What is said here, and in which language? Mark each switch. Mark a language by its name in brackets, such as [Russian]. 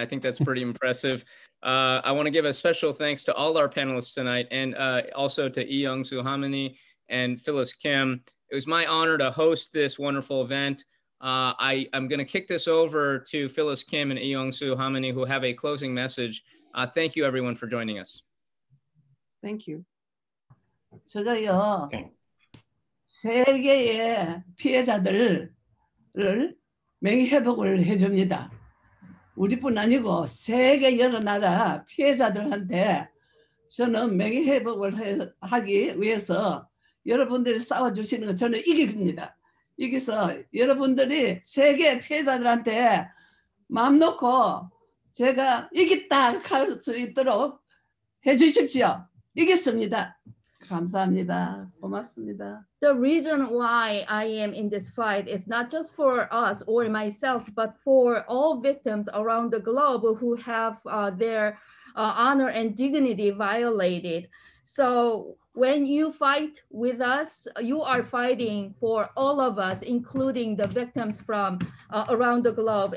[English] I think that's pretty impressive. I want to give a special thanks to all our panelists tonight, and also to Eyoung Soo Hamani and Phyllis Kim. It was my honor to host this wonderful event. I'm going to kick this over to Phyllis Kim and Eyoung Soo Hamani, who have a closing message. Thank you, everyone, for joining us. Thank you. [Korean] 제가요, 세계의 피해자들을 명예회복을 해줍니다. 우리뿐 아니고 세계 여러 나라 피해자들한테 저는 명예회복을 하기 위해서 여러분들이 싸워주시는 거 저는 이깁니다. 이기서 여러분들이 세계 피해자들한테 마음 놓고 제가 이기다 할 수 있도록 해주십시오. 이겼습니다. 감사합니다. 고맙습니다. [English] The reason why I am in this fight is not just for us or myself, but for all victims around the globe who have their honor and dignity violated. So when you fight with us, you are fighting for all of us, including the victims from around the globe.